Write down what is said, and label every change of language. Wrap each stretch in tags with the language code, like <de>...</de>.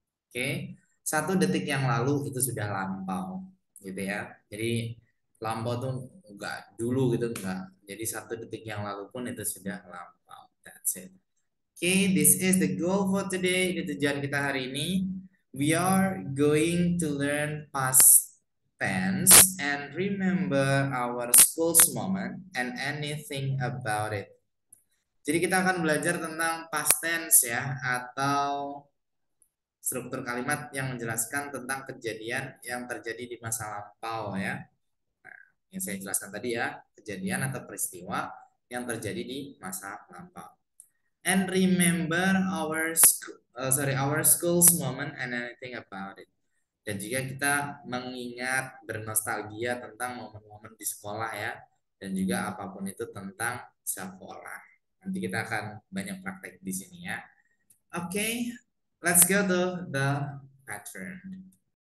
<id>Oke, 1 detik yang lalu itu sudah lampau gitu ya. Jadi lampau tuh enggak dulu gitu, enggak. Jadi 1 detik yang lalu pun itu sudah lampau.</id> <en>That's it. Okay, this is the goal for today.</en> <id>Ini tujuan kita hari ini.</id> <en>We are going to learn past tense and remember our school's moment and anything about it.</en> <id>Jadi kita akan belajar tentang past tense ya, atau struktur kalimat yang menjelaskan tentang kejadian yang terjadi di masa lampau ya. Nah, yang saya jelaskan tadi ya, kejadian atau peristiwa yang terjadi di masa lampau.</id> <en>And remember our our school's moment and anything about it.</en> <id>Dan juga kita mengingat bernostalgia tentang momen-momen di sekolah ya, dan juga apapun itu tentang sekolah. Nanti kita akan banyak praktek di sini ya.</id> <en>Okay, let's go to the pattern.</en>